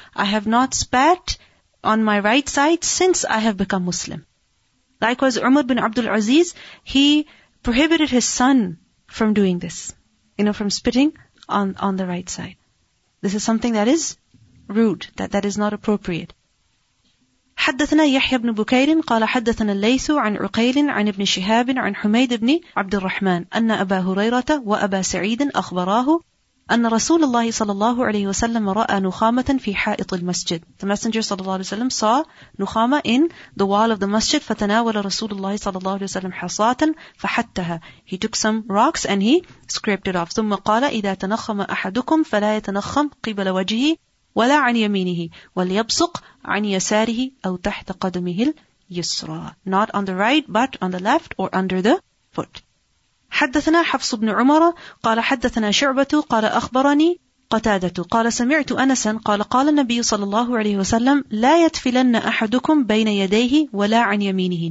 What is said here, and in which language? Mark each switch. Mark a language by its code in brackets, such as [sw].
[en] I have not spat on my right side since I have become Muslim. Likewise, Umar bin Abdul Aziz, he prohibited his son from doing this, you know, from spitting on the right side. This is something that is rude, that is not appropriate. [ar] حدثنا يحيى بن بكير قال حدثنا الليث عن عقيل عن ابن شهاب عن حميد بن عبد الرحمن أن أبا هريرة وأبا سعيد أخبراه أن رسول الله صلى الله عليه وسلم رأى نخامة في حائط المسجد. [en] The messenger [ar] صلى الله عليه وسلم [en] saw نخامة in the wall of the masjid. [ar] فتناول رسول الله صلى الله عليه وسلم حصاة فحتها. [en] He took some rocks and he scraped it off. [ar] ثم قال إذا تنخم أحدكم فلا يتنخم قبل وجهه ولا عن يمينه وليبصق عن يساره أو تحت قدمه اليسرى. [en] Not on the right but on the left or under the foot. [ar] حدثنا حفص بن عمر قال حدثنا شعبة قال أخبرني قتادة قال سمعت أنسا قال النبي صلى الله عليه وسلم لا يتفلن أحدكم بين يديه ولا عن يمينه.